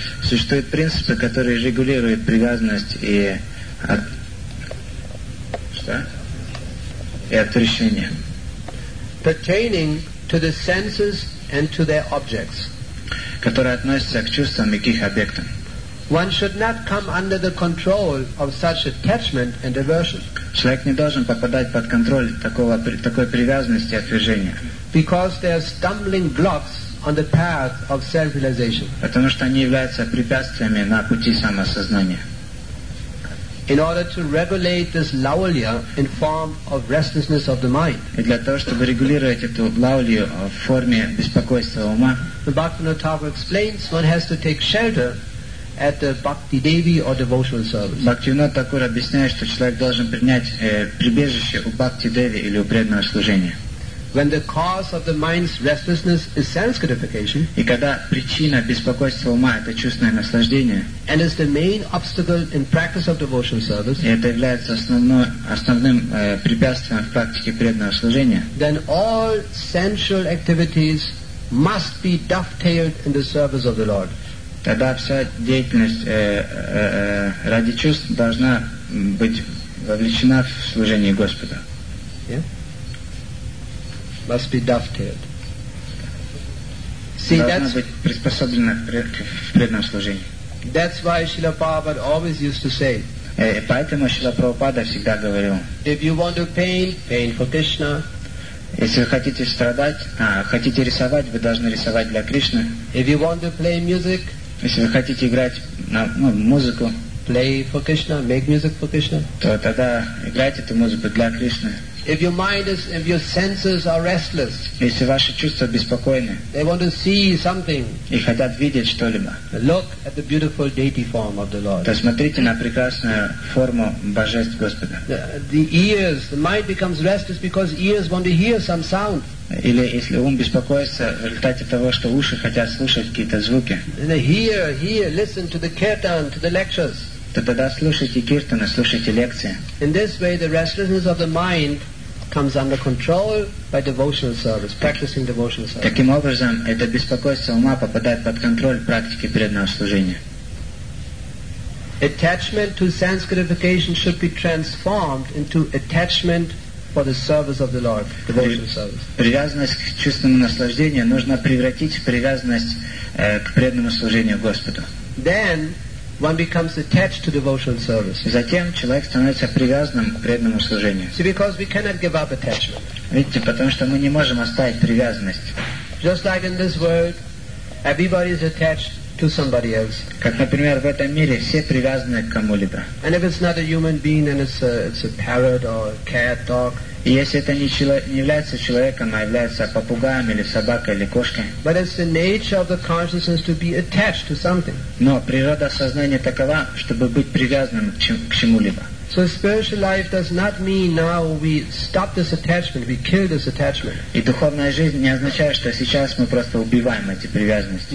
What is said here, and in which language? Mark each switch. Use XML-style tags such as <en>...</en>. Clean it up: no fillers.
<ru>Существуют принципы, которые регулируют привязанность и отвращение.</ru> <en>Pertaining to the senses and to their objects.</en> <ru>Которые относятся к чувствам и к их объектам.</ru> <en>One should not come under the control of such attachment and aversion.</en> <ru>Человек не должен попадать под контроль такой привязанности и отвержения.</ru> <en>Because they are stumbling blocks on the path of self-realization.</en> <ru>Потому что они являются препятствиями на пути самосознания.</ru> <en>In order to regulate this laulya in form of restlessness of the mind.</en> <ru>И для того, чтобы регулировать эту лаулью в форме беспокойства ума.</ru> <en>The Bhaktivinoda Thakur explains one has to take shelter at the Bhakti Devi or devotional service.</en> <ru>Бхактивинода Тхакур объясняет, что человек должен принять прибежище у Бхакти Деви или у преданного служения.</ru> <en>When the cause of the mind's restlessness is sense gratification.</en> <ru>И когда причина беспокойства ума это чувственное наслаждение.</ru> <en>And is the main obstacle in practice of devotional service.</en> <ru>И это является основным препятствием в практике преданного служения.</ru> <en>Then all sensual activities must be dovetailed in the service of the Lord.</en> <ru>Тогда вся деятельность ради чувств должна быть вовлечена в служение Господа.</ru> <en>Yeah? Must be dovetailed.</en> <ru>See, должна быть приспособлена к преданному служению.</ru> <en>That's why Srila Prabhupada always used to say.</en> <ru>Поэтому Шрила Прабхупада всегда говорил.</ru> <en>If you want to paint, paint for Krishna.</en> <ru>Если вы хотите страдать, хотите рисовать, вы должны рисовать для Кришны.</ru> <en>If you want to play music.</en> <ru>Если вы хотите играть на музыку.</ru> <en>Play for Krishna, make music for Krishna.</en> <ru>То тогда играйте эту музыку для Кришны.</ru> <en>If your mind is, if your senses are restless,</en> <ru>если ваши чувства беспокойны,</ru> <en>they want to see something,</en> <ru>и хотят видеть что-либо,</ru> <en>look at the beautiful deity form of the Lord.</en> <ru>То смотрите на прекрасную форму божеств Господа.</ru> <en>The ears, the mind becomes restless because ears want to hear some sound.</en> <ru>Или если ум беспокоится в результате того, что уши хотят слушать какие-то звуки.</ru> <en>Hear, hear, listen to the kirtan, to the lectures.</en> <ru>Тогда слушайте киртаны, слушайте лекции.</ru> <en>In this way, the restlessness of the mind comes under control by devotional service, practicing devotional service.</en> <ru>Таким образом, это беспокойство ума попадает под контроль практики преданного служения.</ru> <en>Attachment to sense gratification should be transformed into attachment for the service of the Lord, devotional service.</en> <ru>Привязанность к чувственному наслаждению нужно превратить в привязанность к преданному служению Господу.</ru> <en>Then one becomes attached to devotional service.</en> <ru>Затем человек становится привязанным к преданному служению.</ru> <en>See, because we cannot give up attachment.</en> <ru>Видите, потому что мы не можем оставить привязанность.</ru> <en>Just like in this world, everybody is attached to somebody else.</en> <ru>Как, например, в этом мире все привязаны к кому-либо.</ru> <en>And if it's not a human being, then it's a parrot or a cat, dog.</en> <ru>И если это не является человеком, а является попугаем или собакой или кошкой.</ru> <en>But it's the nature of the consciousness to be attached to something.</en> <ru>Но природа сознания такова, чтобы быть привязанным к чему-либо.</ru> <en>So spiritual life does not mean now we stop this attachment, we kill this attachment.</en> <ru>И духовная жизнь не означает, что сейчас мы просто убиваем эти привязанности.</ru>